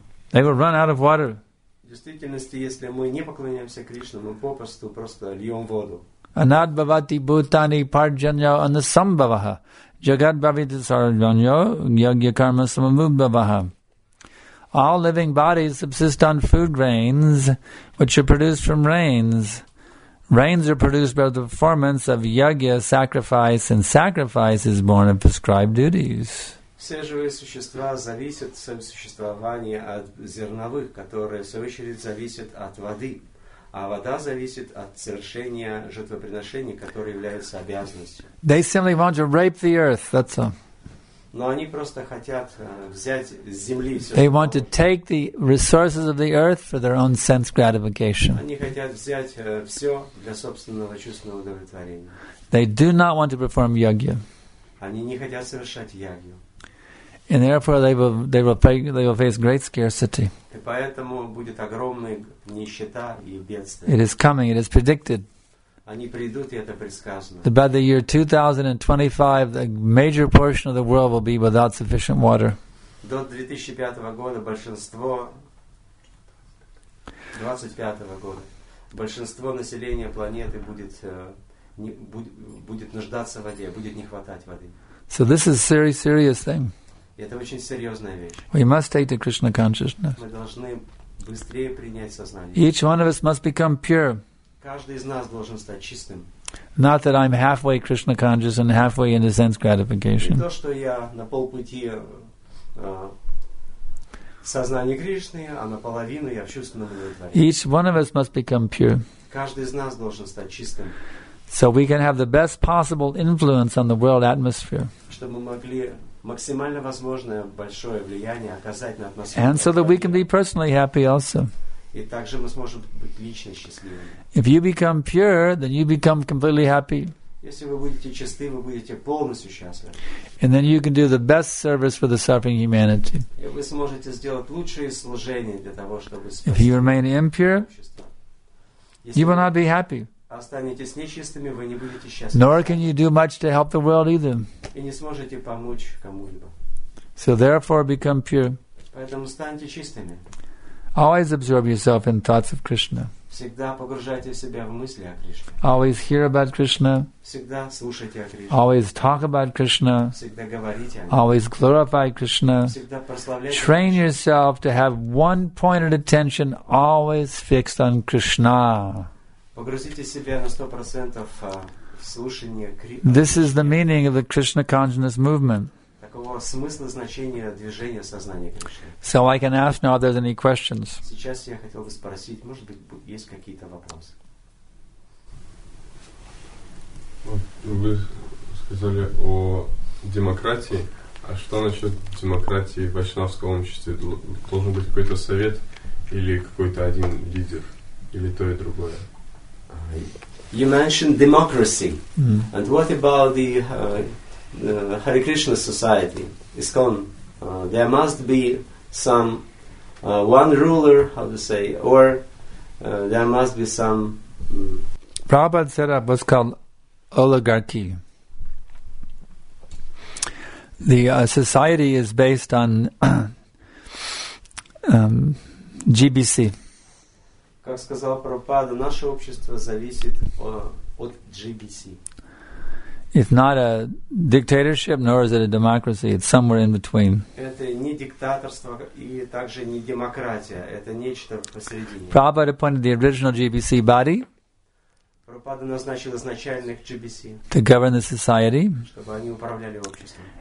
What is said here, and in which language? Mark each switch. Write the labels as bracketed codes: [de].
[en] They will run out of water. [ru] В действительности, если мы не поклоняемся Кришне, мы попросту просто льем воду. [sa] Anad bhavati bhutani parjanya anasambhavaha jagat bhavati sarvanyo yagya karma samabhubhavaha. [en] All living bodies subsist on food grains which are produced from rains. Rains are produced by the performance of yagya, sacrifice, and sacrifice is born of prescribed duties. [ru] Все живые существа зависят в своем существовании от зерновых, которые, в свою очередь, зависят от воды. А вода зависит от совершения жертвоприношений, которые являются обязанностью. [en] They simply want to rape the earth, that's all. [ru] Но они просто хотят взять с земли все. [en] They want to take the resources of the earth for their own sense gratification. [ru] Они хотят взять все для собственного чувственного удовлетворения. [en] They do not want to perform yagya. [ru] Они не хотят совершать ягью. [en] And therefore, they will face great scarcity. [ru] И поэтому будет огромная нищета и бедствие. [en] It is coming. It is predicted. [ru] Они придут, и это предсказано. [en] That by the year 2025, the major portion of the world will be without sufficient water. [ru] До 2025 года большинство 25 года большинство населения планеты будет нуждаться в воде, будет не хватать воды. [en] So this is a very serious thing. [ru] Это очень серьезная вещь. [en] We must take the Krishna consciousness. [ru] Мы должны быстрее принять сознание. [en] Each one of us must become pure. [ru] Каждый из нас должен стать чистым. [en] Not that I'm halfway Krishna conscious and halfway into sense gratification. [ru] Не то, что я на полпути сознания Кришны, а наполовину я в чувственном удовлетворении. [en] Each one of us must become pure. [ru] Каждый из нас должен стать чистым. [en] So we can have the best possible influence on the world atmosphere. [ru] Чтобы мы могли максимально возможное большое влияние оказать на атмосферу. [en] And so that we can be personally happy also. [ru] И также мы сможем быть лично счастливыми. [en] If you become pure, then you become completely happy. [ru] Если вы будете чисты, вы будете полностью счастливы. [en] And then you can do the best service for the suffering humanity. [ru] И вы сможете сделать лучшее служение для того, чтобы спасти. [en] If you remain impure, you will not be happy. [ru] Останетесь нечистыми, вы не будете счастливы. [en] Nor can you do much to help the world either. [ru] И не сможете помочь кому-либо. [en] So therefore, become pure. [ru] Поэтому станьте чистыми. [en] Always absorb yourself in thoughts of Krishna. [ru] Всегда погружайте себя в мысли о Кришне. [en] Always hear about Krishna. [ru] Всегда слушайте о Кришне. [en] Always talk about Krishna. [ru] Всегда говорите о нем. [en] Always glorify Krishna. [ru] Всегда прославляйте Кришну. [en] Train yourself to have one pointed attention always fixed on Krishna. [ru] Погрузите себя на 100% в слушание Кришны. [en] This is the meaning of the Krishna consciousness movement. [ru] Смысла значения движения сознания Кришны. [en] So I can ask now if there's any questions. [ru] Сейчас я хотел бы спросить, может быть, есть какие-то вопросы? Вы сказали о демократии, а что насчет демократии в вайшнавском обществе? Должен быть какой-то совет или какой-то один лидер или то и другое? [en] You mentioned democracy, and what about the Hare Krishna society, ISKCON, there must be some one ruler, how to say, or there must be some... Prabhupada set up what's called oligarchy. The society is based on GBC. [ru] Как сказал Прабхупада, наше общество зависит от GBC. [en] It's not a dictatorship, nor is it a democracy. It's somewhere in between. [ru] Это не диктаторство и также не демократия. Это нечто посередине. [en] Prabhupada appointed the original GBC body. [ru] Прабхупада назначил изначальных GBC. [en] To govern the society. [ru] Чтобы они управляли обществом.